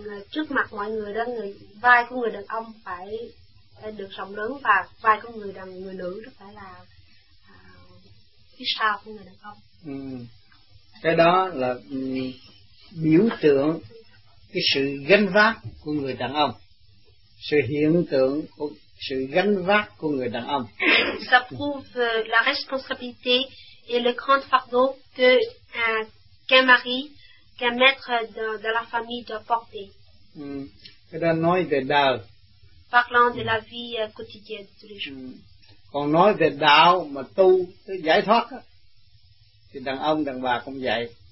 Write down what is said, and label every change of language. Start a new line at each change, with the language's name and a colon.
Vietnamese: Trước mặt mọi người đó, người vai của người đàn ông phải được rộng lớn và vai của người đàn người nữ nó phải là phía sau của người đàn ông. Cái đó là biểu tượng cái sự gánh vác của người đàn ông, sự hiện tượng của sự gánh vác của người đàn ông.
French: Ça prouve la responsabilité et le grand fardeau que qu'un mari, qu'un maître de la famille doit porter.
Vietnamese: Cái đó nói về đời.
French: Parlant de la vie quotidienne tous les jours.
Vietnamese: Còn nói về đạo mà tu tới giải thoát thì đàn ông đàn bà cũng vậy.